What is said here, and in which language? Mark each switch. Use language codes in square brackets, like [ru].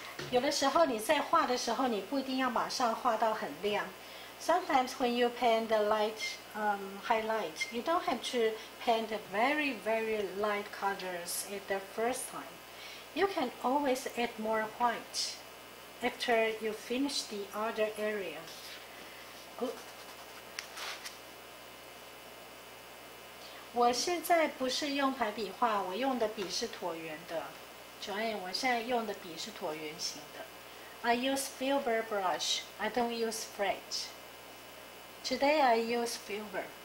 [zh] 有的时候你在画的时候，你不一定要马上画到很亮。 [en] Sometimes when you paint the light highlight, you don't have to paint very, very light colors at the first time. You can always add more white after you finish the other area. Good. [zh] 我现在不是用排笔画，我用的笔是椭圆的。 Joanne， 我现在用的笔是椭圆形的。 [en] I use filbert brush. I don't use fret. Today I use filbert.